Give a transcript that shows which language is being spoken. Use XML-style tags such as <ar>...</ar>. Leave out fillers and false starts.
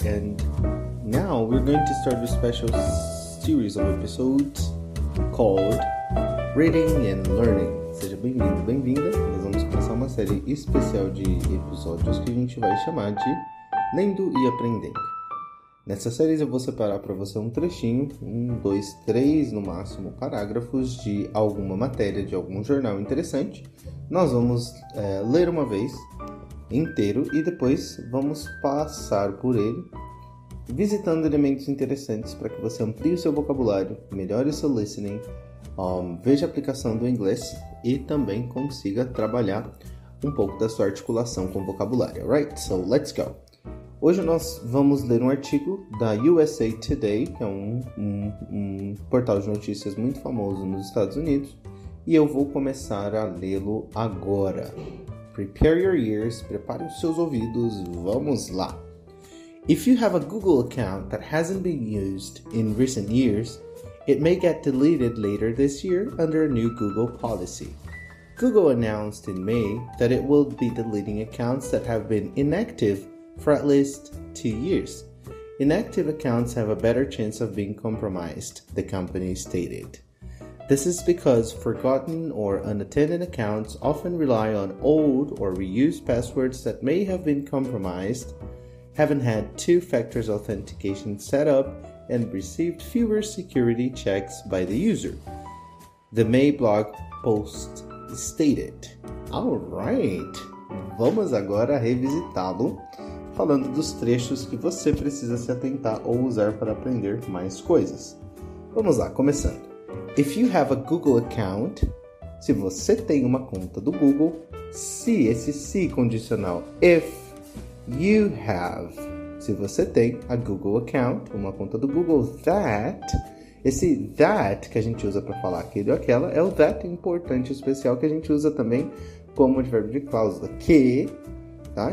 <en>And now we're going to start a special series of episodes called Reading and Learning.</en> <pt>Seja bem-vindo, bem-vinda. Nós vamos começar uma série especial de episódios que a gente vai chamar de Lendo e Aprendendo. Nessa série eu vou separar para você um trechinho, um, dois, três, no máximo, parágrafos de alguma matéria, de algum jornal interessante. Nós vamos ler uma vez inteiro e depois vamos passar por ele, visitando elementos interessantes para que você amplie o seu vocabulário, melhore o seu listening, veja a aplicação do inglês e também consiga trabalhar um pouco da sua articulação com o vocabulário.</pt> <en>Alright, so let's go!</en> <pt>Hoje nós vamos ler um artigo da USA Today, que é um portal de notícias muito famoso nos Estados Unidos, e eu vou começar a lê-lo agora.</pt> <en>Prepare your ears,</en> <pt>prepare os seus ouvidos, vamos lá!</pt> <en>If you have a Google account that hasn't been used in recent years, it may get deleted later this year under a new Google policy. Google announced in May that it will be deleting accounts that have been inactive for at least 2 years. Inactive accounts have a better chance of being compromised, the company stated. This is because forgotten or unattended accounts often rely on old or reused passwords that may have been compromised, haven't had two-factor authentication set up, and received fewer security checks by the user, the May blog post stated.</en> <pt>All right, vamos agora revisitá-lo, falando dos trechos que você precisa se atentar ou usar para aprender mais coisas. Vamos lá, começando.</pt> <en>If you have a Google account,</en> <pt>se você tem uma conta do Google, se, esse se condicional,</pt> <en>if you have,</en> <pt>se você tem</pt> <en>a Google account,</en> <pt>uma conta do Google, that, esse that que a gente usa para falar aquilo ou aquela, é o that importante especial que a gente usa também como advérbio de cláusula, que, tá?</pt>